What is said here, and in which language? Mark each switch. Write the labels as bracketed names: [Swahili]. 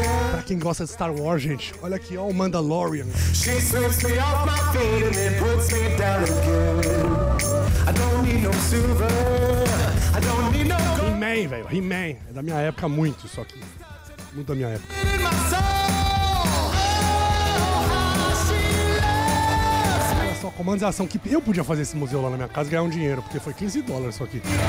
[Portuguese] Pra quem gosta de Star Wars, gente, olha aqui, ó, o Mandalorian. [English] She sweeps me off my feet and then puts me down again. I don't need no silver. I don't need no gold. He-Man, velho. He-Man. [Portuguese] É da minha época muito isso aqui. Muito da minha época. Comandos e ação, que eu podia fazer esse museu lá na minha casa e ganhar um dinheiro, porque foi $15 isso aqui.